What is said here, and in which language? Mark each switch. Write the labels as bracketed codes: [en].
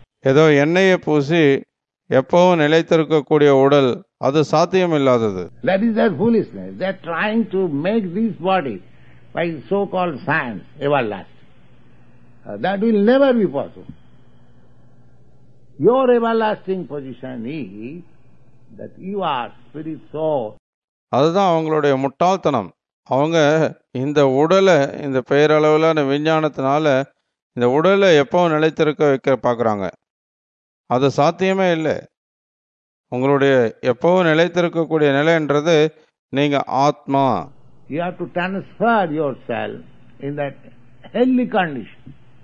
[ta] ஏதோ எண்ணெய பூசி எப்பவும் நிலைத்திருக்கக்கூடிய உடல், அது சாத்தியம் இல்லாதது. [en] That is their foolishness. They are trying to make this body by so-called science everlasting. That will never be possible. Your everlasting position is that you are spirit soul. [ta] அதுதான் அவங்களுடைய முட்டாள்தனம். அவங்க இந்த உடலை, இந்த பெயரளவிலான விஞ்ஞானத்தினால இந்த உடலை எப்பவும் நிலைத்திருக்க வைக்க பாக்குறாங்க. அது சாத்தியமே இல்லை. உங்களுடைய எப்பவும் நிலைத்திருக்கக்கூடிய நிலைன்றது நீங்க ஆத்மா. [en] You have to transfer yourself in that healthy condition.